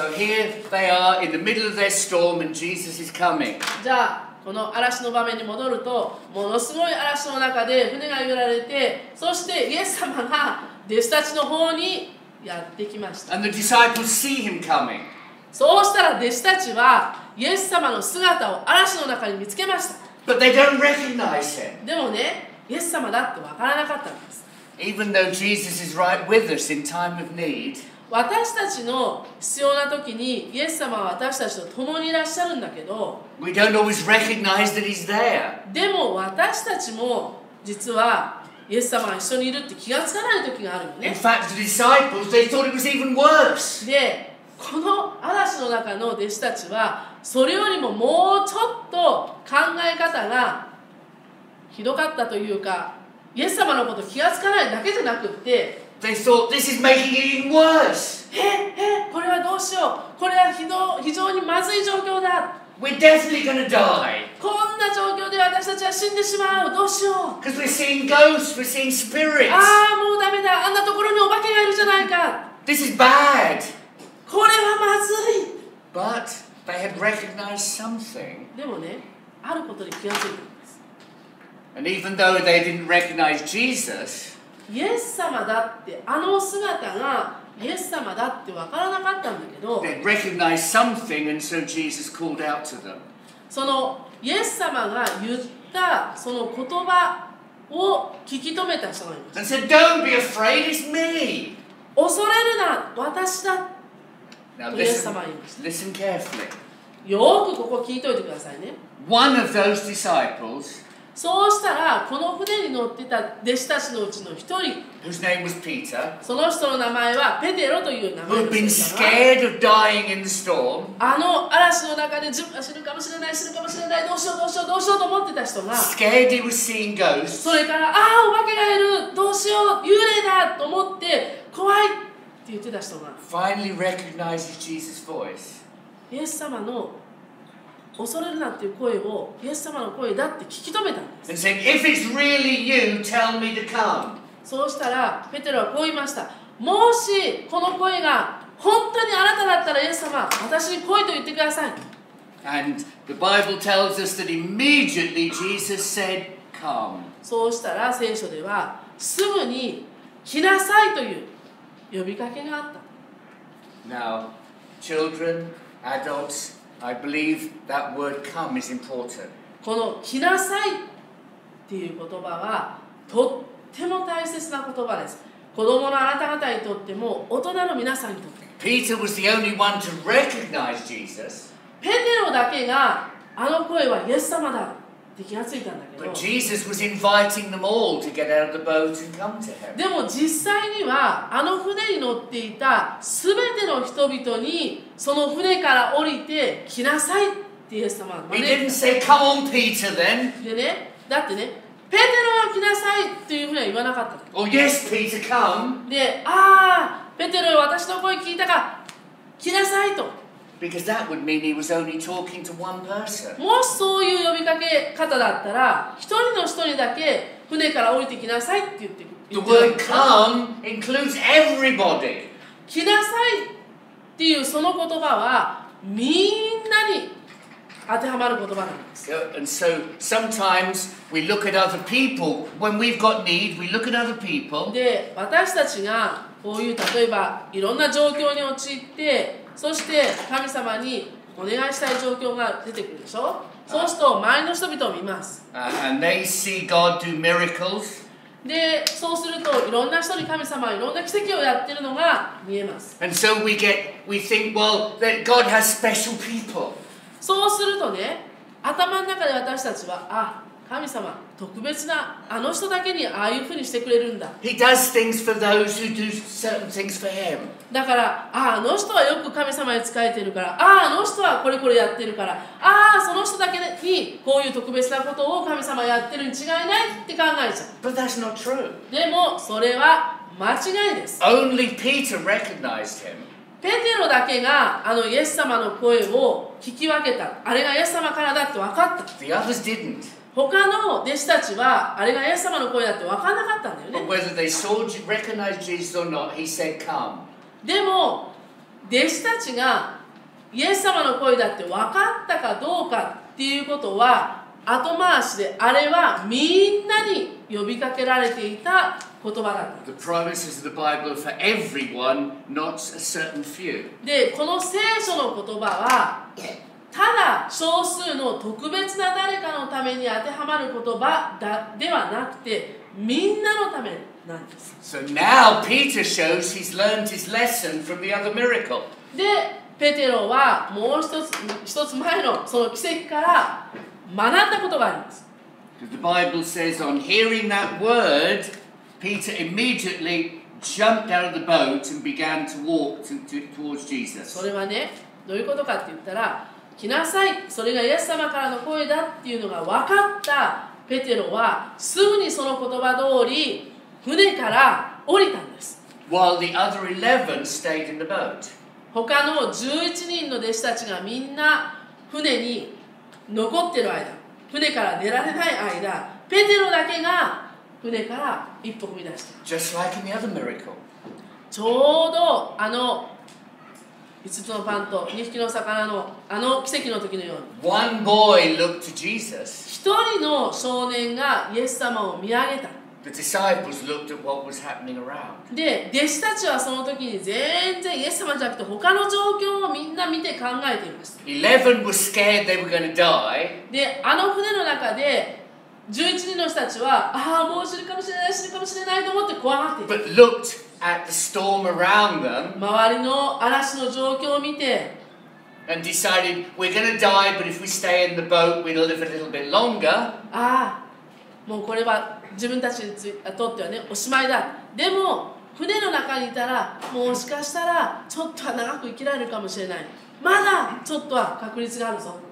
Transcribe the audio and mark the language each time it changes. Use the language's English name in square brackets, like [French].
[English] So here they are in the middle of their storm and Jesus is coming. [Japanese] じゃあ、この嵐の場面に戻ると、ものすごい嵐の中で船が揺られて、そしてイエス様が弟子たちの方にやってきました。 [English] And the disciples see him coming. [Japanese] そうしたら弟子たちはイエス様の姿を嵐の中に見つけました。 [English] But they don't recognize him. [Japanese] でもね、イエス様だってわからなかったんです。 [English] Even though Jesus is right with us in time of need. [Japanese] 私たちの必要な時にイエス様は私たちと共にいらっしゃるんだけど、 [English] We don't always recognize that he's there. [Japanese] でも私たちも実はイエス様が一緒にいるって気がつかない時があるよね。 [English] In fact, the disciples, they thought it was even worse. [Japanese] で、この嵐の中の弟子たちは、それよりももうちょっと考え方がひどかったというか、イエス様のこと気がつかないだけじゃなくって、 [English] They thought, this is making it even worse. [Japanese] これはどうしよう。これは非常にまずい状況だ。 [English] We're definitely gonna die. [Japanese] こんな状況で私たちは死んでしまう。どうしよう。 [English] Because we're seeing ghosts, we're seeing spirits. [Japanese] ああ、もうダメだ。あんなところにお化けがいるじゃないか。 [English] This is bad. [Japanese] これはまずい。 [English] But they had recognized something. [Japanese] でもね、あることに気がついたんです。 [English] And even though they didn't recognize Jesus, [Japanese] イエス様だって、あの姿がイエス様だって分からなかったんだけど [English] They recognized something and so Jesus called out to them. [Japanese] そのイエス様が言ったその言葉を聞き止めた人がいます。 [English] And said, don't be afraid, it's me! [Japanese] 恐れるな、私だ。イエス様が言います。 [English] Listen carefully. [Japanese] よくここ聞いておいてくださいね。 [English] One of those disciples [Japanese] そうしたら、この船に乗ってた弟子たちのうちの一人 [English] whose name was Peter, [Japanese] その人の名前はペテロという名前でした [English] who had been scared of dying in the storm [Japanese] あの嵐の中で自分が死ぬかもしれない、死ぬかもしれない、どうしようどうしようどうしようと思ってた人が [English] scared he was seeing ghosts [Japanese] それから、ああお化けがいる、どうしよう、幽霊だと思って怖いって言ってた人が [English] finally recognizes Jesus' voice [Japanese] イエス様の恐れるなっていう声をイエス様の声だって聞き止めたんです。 [English] And said, "If it's really you, tell me to come." [Japanese] そうしたらペテロはこう言いました。もしこの声が本当にあなただったらイエス様、私に来いと言ってください。 [English] And the Bible tells us that immediately Jesus said, "Come." [Japanese] そうしたら聖書ではすぐに来なさいという呼びかけがあった。 [English] Now, children, adults. I believe that word come is important. [Japanese] この来なさいっていう言葉はとっても大切な言葉です。子供のあなた方にとっても大人の皆さんにとっても。 [English] Peter was the only one to recognize Jesus. [Japanese] ペテロだけがあの声はイエス様だって気がついたんだけど。 [English] But Jesus was inviting them all to get out of the boat and come to him. [Japanese] でも実際にはあの船に乗っていたすべての人々にその船から降りて来なさいってイエス様は招いた。 [English] He didn't say, "Come on, Peter, then." [Japanese] でね、だってね、ペテロは来なさいっていうふうには言わなかった。 [English] Oh, yes, Peter, come. [Japanese] で、ああ、ペテロは私の声聞いたか、来なさいと。 [English] Because that would mean he was only talking to one person. [Japanese] もしそういう呼びかけ方だったら、一人の人にだけ船から降りて来なさいって言ってくる。 [English] The word "come" includes everybody. [Japanese] 来なさい。っていうその言葉はみんなに当てはまる言葉なんです。 [English] Yeah, and so sometimes we look at other people when we've got need, we look at other people. [Japanese] で、私たちがこういう例えばいろんな状況に陥って、そして神様にお願いしたい状況が出てくるでしょ。そうすると周りの人々を見ます。 [English] And they see God do miracles. [Japanese] で、そうするといろんな人に神様はいろんな奇跡をやってるのが見えます。 [English] And so we get, we think, well, that God has special people. [Japanese] そうするとね、頭の中で私たちは、あ、神様、特別なあの人だけにああいうふうにしてくれるんだ。 [English] He does things for those who do certain things for him. [Japanese] だから、あ、あの人はよく神様に仕えてるから、あ、あの人はこれこれやってるから、あ、その人だけにこういう特別なことを神様やってるに違いないって考えちゃう。 [English] But that's not true. [Japanese] でも、それは間違いです。 [English] Only Peter recognized him. [Japanese] ペテロだけがあのイエス様の声を聞き分けた。あれがイエス様からだって分かった。 [English] The others didn't. [Japanese] 他の弟子たちはあれがイエス様の声だって分からなかったんだよね。 [English] But whether they saw, recognized Jesus or not, he said, "Come." [Japanese] でも弟子たちがイエス様の声だって分かったかどうかっていうことは後回しで、あれはみんなに呼びかけられていた言葉だった。 [English] The promises of the Bible for everyone, not a certain few. [Japanese] で、この聖書の言葉は、ただ少数の特別な誰かのために当てはまる言葉だではなくて、みんなのためなんです。 [English] So now Peter shows he's learned his lesson from the other miracle. [Japanese] で、ペテロはもう一つ前のその奇跡から、学んだことがあります。 [English] The Bible says on hearing that word, Peter immediately jumped out of the boat and began to walk towards Jesus. [Japanese] それはね、どういうことかって言ったら、来なさい、それがイエス様からの声だっていうのが分かったペテロは、すぐにその言葉通り船から降りたんです。 [English] While the other 11 stayed in the boat. [Japanese] 他の11人の弟子たちがみんな船に残ってる間、船から出られない間、ペテロだけが船から一歩踏み出した。 [English] Just like in the other miracle. [Japanese] ちょうどあの5つのパンと2匹の魚のあの奇跡の時のように。 [English] One boy looked to Jesus. [Japanese] 一人の少年がイエス様を見上げた。 [English] the disciples looked at what was happening around. [Japanese] で、弟子たちはその時に全然イエス様じゃなくて他の状況をみんな見て考えていました。 [English] 11 were scared they were going to die. [Japanese] で、あの船の中で11人の人たちは、ああ、もう死ぬかもしれない、死ぬかもしれないと思って怖がっている。 [English] But looked at the storm around them. [Japanese] 周りの嵐の状況を見て、 [English] And decided, we're going to die, but if we stay in the boat, we'll live a little bit longer. [Japanese] ああ、もうこれは自分たちにとってはね、おしまいだ。でも、船の中にいたら、もしかしたら、ちょっとは長く生きられるかもしれない。まだちょっとは確率があるぞ。